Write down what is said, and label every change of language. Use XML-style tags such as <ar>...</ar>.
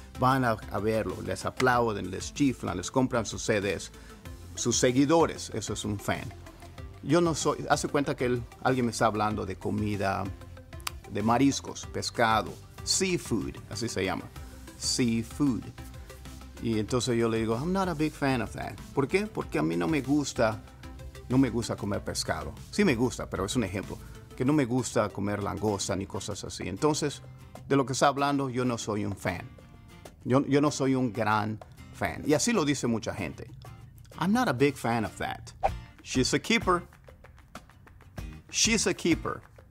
<es>Van a verlo, les aplauden, les chiflan, les compran sus CDs, sus seguidores, eso es un fan. Yo no soy, hace cuenta que alguien me está hablando de comida, de mariscos, pescado, seafood, así se llama, seafood.</es> <en>Y entonces yo le digo, I'm not a big fan of that.</en> <es>¿Por qué? Porque a mí no me gusta comer pescado. Sí me gusta, pero es un ejemplo, que no me gusta comer langosta ni cosas así. Entonces, de lo que está hablando, yo no soy un fan. Yo no soy un gran fan. Y así lo dice mucha gente.</es> <en>I'm not a big fan of that. She's a keeper. She's a keeper.</en>